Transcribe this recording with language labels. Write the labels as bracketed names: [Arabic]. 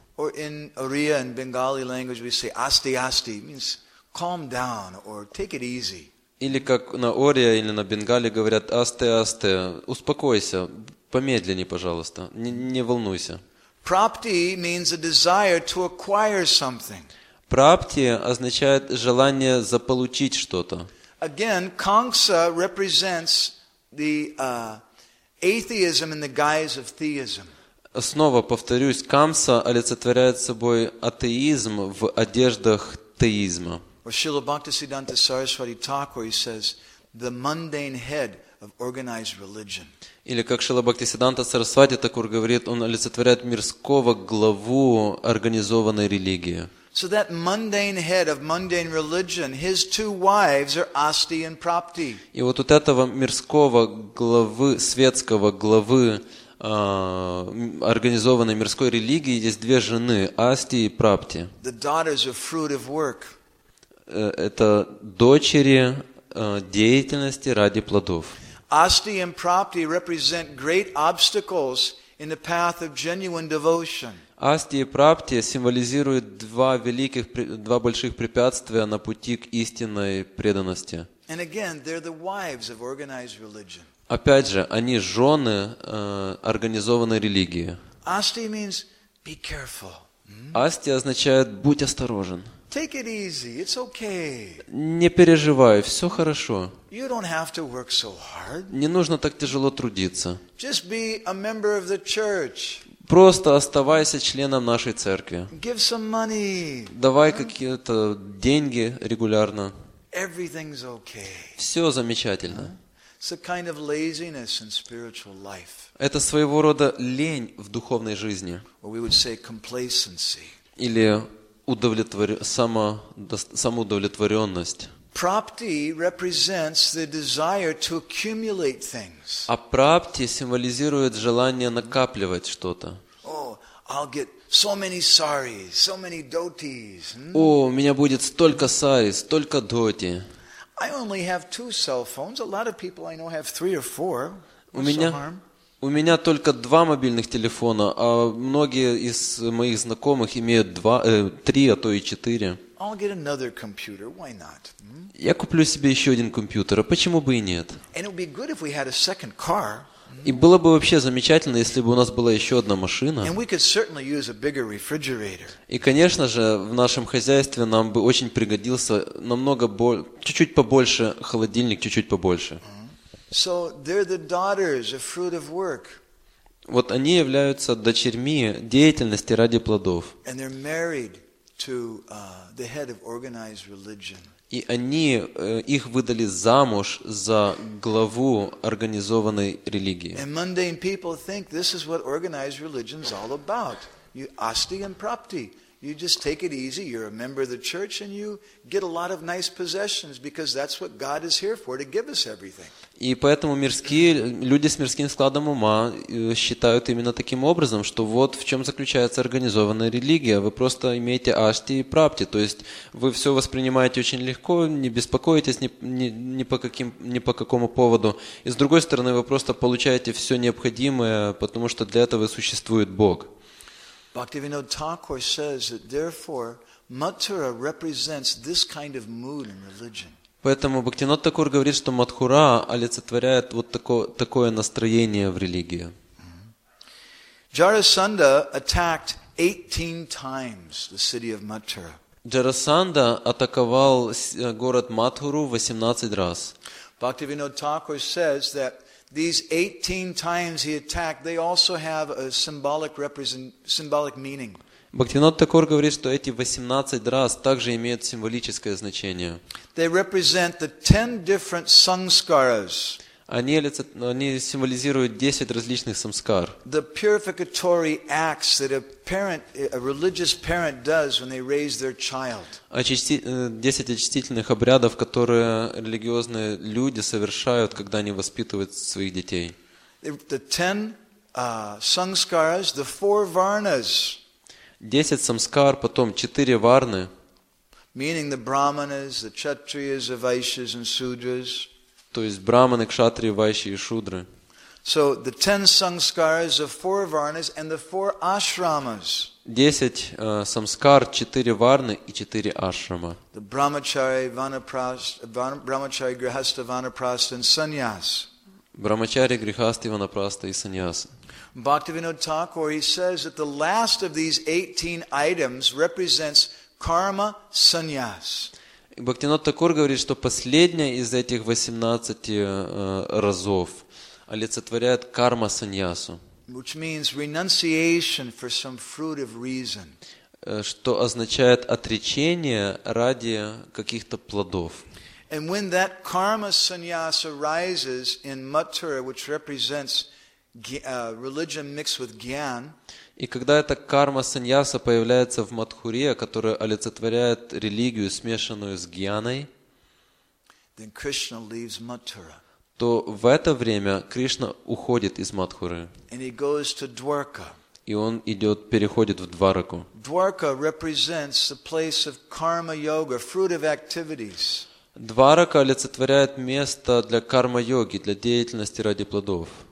[English] Or in Oriya and Bengali language we say Asti Asti means calm down or take it easy. [Russian] Или как на Ория или на Бенгале говорят «Асте, асте», успокойся, помедленнее, пожалуйста, не волнуйся. [English] Prapti means a desire to acquire something. [Russian] Prapti означает желание заполучить что-то. [English] Again, Kamsa represents the atheism in the guise of theism. [Russian] Снова повторюсь, Камса олицетворяет собой атеизм в одеждах теизма. [English] Or Srila Bhaktisiddhanta Saraswati Thakur, he says, the mundane head of organized religion. [Russian] Или как Шрила Бхактисиддханта Сарасвати Такур говорит, он олицетворяет мирского главу организованной религии. [English] So that mundane head of mundane religion, his two wives are Asti and Prapti. [Russian] И вот от этого мирского главы, светского главы организованной мирской религии есть две жены, Асти и Прапти. [English] The daughters of fruit of work. [Russian] Это дочери деятельности ради плодов. [English] Asti and Prapti represent great obstacles in the path of genuine devotion. [Russian] Asti и Prapti символизируют два больших препятствия на пути к истинной преданности. [English] And again, they're the wives of organized religion. [Russian] Опять же, они жены организованной религии. [English] Asti means be careful. [Russian] Asti означает будь осторожен. [English] Take it easy, it's okay. [Russian] Не переживай, все хорошо. [English] You don't have to work so hard. [Russian] Не нужно так тяжело трудиться. [English] Just be a member of the church. [Russian] Просто оставайся членом нашей церкви. [English] Give some money. [Russian] Давай какие-то деньги регулярно. [English] Everything's okay. [Russian] Все замечательно. [English] It's a kind of laziness in spiritual life. [Russian] Это своего рода лень в духовной жизни. [English] Or we would say complacency. [Russian] Или самоудовлетворенность. [English] Prapti represents the desire to accumulate things. [Russian] А прапти символизирует желание накапливать что-то. [English] Oh, I'll get so many saris, so many dhotis. [Russian] О, у меня будет столько сари, столько дхоти. [English] I only have two cell phones. A lot of people I know have three or four. [Russian] У меня только два мобильных телефона, а многие из моих знакомых имеют три, а то и четыре. [English] I'll get another computer. Why not? [Russian] Я куплю себе еще один компьютер. А почему бы и нет? [English] And it would be good if we had a second car. [Russian] И было бы вообще замечательно, если бы у нас была еще одна машина. [English] And we could certainly use a bigger refrigerator. [Russian] И, конечно же, в нашем хозяйстве нам бы очень пригодился намного чуть-чуть побольше холодильник, чуть-чуть побольше. [English] So they're the daughters of fruit of work. [Russian] Вот они являются дочерьми деятельности ради плодов. [English] And they're married to the head of organized religion. [Russian] И они их выдали замуж за главу организованной религии. [English] And mundane people think this is what organized religion is all about. You asti and prapti. You just take it easy. You're a member of the church and you get a lot of nice possessions because that's what God is here for, to give us everything. [Russian] И поэтому люди с мирским складом ума считают именно таким образом, что вот в чем заключается организованная религия. Вы просто имеете ашти и прапти. То есть вы все воспринимаете очень легко, не беспокоитесь ни по какому поводу. И с другой стороны, вы просто получаете все необходимое, потому что для этого и существует Бог. [English] Bhaktivinoda Thakur says that therefore Mathura represents this kind of mood in religion. [Russian] Поэтому Бхактивинода Такур говорит, что Матхура олицетворяет вот такое настроение в религии. [English] Jarasandha attacked 18 times the city of Mathura. [Russian] Jarasandha атаковал город Матхуру 18 раз. [English] Bhaktivinoda Thakur says that these 18 times he attacked, they also have a symbolic meaning. [Russian] Бхактивинода Такур говорит, что эти 18 раз также имеют символическое значение. [English] They represent the 10 different samskaras. [Russian] Они символизируют 10 различных самскар. [English] The purificatory acts that a religious parent does when they raise their child. [Russian] 10 очистительных обрядов, которые религиозные люди совершают, когда они воспитывают своих детей. [English] The 10 samskaras, the 4 varnas. [Russian] 10 самскар, потом 4 варны. [English] Meaning the brahmanas, the kshatriyas, the vaishyas and sudras. [Russian] То есть брахманы, кшатрии, вайши и шудры. [English] So the 10 samskaras, the 4 varnas and the 4 ashramas. [Russian] 10 самскар, 4 варны и 4 ашрама. [English] The brahmachari, brahmachari, grihastha, vanaprastha and sannyas. [Russian] Брахмачари, грихасты, ванапрасты и саньясы. [English] Bhaktivinoda Thakur, he says that the last of these 18 items represents karma sannyas. [Russian] Бхактинот Такур говорит, что последняя из этих 18 разов олицетворяет карма саньясу. [English] Which means renunciation for some fruit of reason. [Russian] Что означает отречение ради каких-то плодов. [English] And when that karma sannyas arises in Mathura, which represents religion mixed with gyan. [Russian] И когда эта карма саньяса появляется в Матхуре, которая олицетворяет религию, смешанную с гьяной, [English] then Krishna leaves Mathura. [Russian] То в это время Кришна уходит из Матхуры. [English] And he goes to Dwarka. [Russian] И он переходит в Двараку. [English] Dwarka represents the place of karma yoga, fruit of activities. [Russian] Дварака олицетворяет место для карма-йоги, для деятельности ради плодов.